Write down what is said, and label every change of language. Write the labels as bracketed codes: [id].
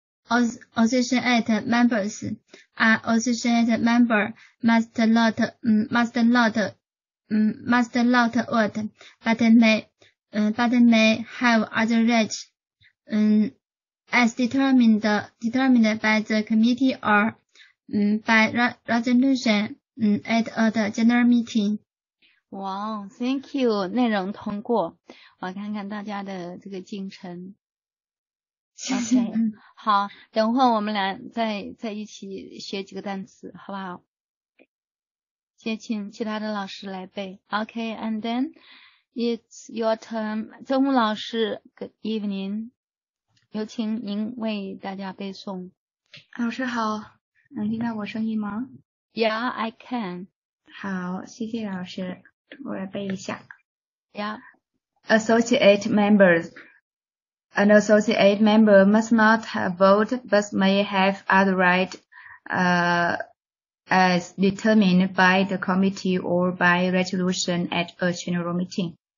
[en] Associate members. Associate member must not vote, but may have other rights, as determined by the committee or, by resolution, at the general meeting. Wow, thank you. [zh] 内容通过。我看看大家的这个进程。OK, 好，等会我们俩再一起学几个单词，好不好？先请其他的老师来背。OK, [en] and then it's your turn. [zh] 曾武老师 , [en] good evening. [zh] 有请您为大家背诵。老师好，能听到我声音吗？ [en] Yeah, I can. [zh] 好，谢谢老师，我来背一下。 [en] Yeah. Associate members. An associate member must not vote, but may have other rights, as determined by the committee or by resolution at a general meeting.